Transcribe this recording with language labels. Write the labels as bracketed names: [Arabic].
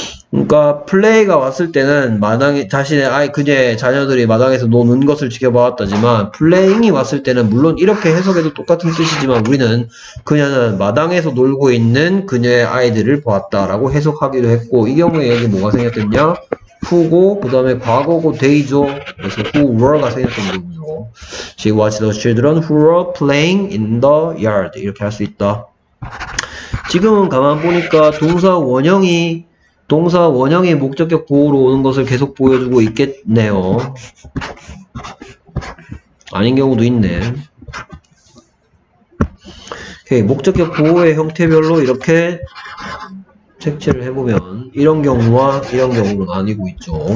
[Korean] 그러니까 플레이가 왔을 때는 마당에 자신의 아이 그녀의 자녀들이 마당에서 노는 것을 지켜봤다지만, 플레잉이 왔을 때는 물론 이렇게 해석해도 똑같은 뜻이지만 우리는 그녀는 마당에서 놀고 있는 그녀의 아이들을 보았다라고 해석하기도 했고, 이 경우에 여기 뭐가 생겼겠냐? Who고 그다음에 과거고 데이죠. 그래서 who were가 생겼던 거죠. [English] She watched those children who were playing in the yard. [Korean] 이렇게 할수 있다. 지금은 가만 보니까 동사 원형이 동사 원형의 목적격 보호로 오는 것을 계속 보여주고 있겠네요. 아닌 경우도 있네. 목적격 보호의 형태별로 이렇게 색칠을 해보면 이런 경우와 이런 경우로 나뉘고 있죠.